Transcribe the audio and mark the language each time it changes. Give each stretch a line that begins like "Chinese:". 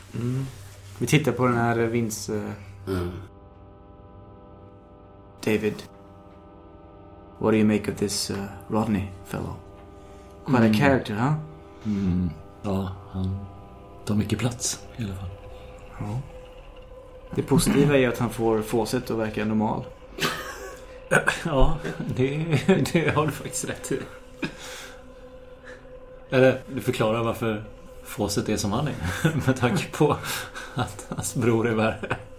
Swedish: Mm. Vi tittar på den här Vince... David.
English: What do you make of this Rodney fellow? Quite a character, huh?
Swedish: Ja, han tar mycket plats i alla fall. Ja. Det positiva är att han får fåset att verka normal. Ja, det har du faktiskt rätt till. Eller, du förklarar varför fåset är som han är. Med tanke på att hans bror är värre.